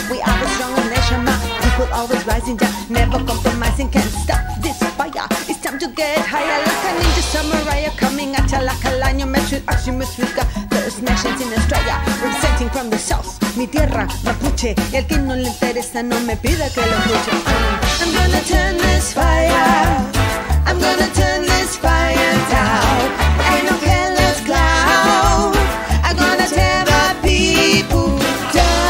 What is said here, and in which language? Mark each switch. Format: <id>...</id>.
<en>We are the strong nation, my people always rising, yeah. Never compromising, can't stop this fire. It's time to get higher, like a ninja samurai. Coming at ya like a lion, you mess with action, mess with God. First nations in Australia, representing from the south.</en> <es>Mi tierra, Mapuche, y al que no le interesa no me pida que lo escuche.</es> <en>I'm gonna turn this fire, I'm gonna turn this fire down. Ain't no careless clown, I'm gonna tear the people down.</en>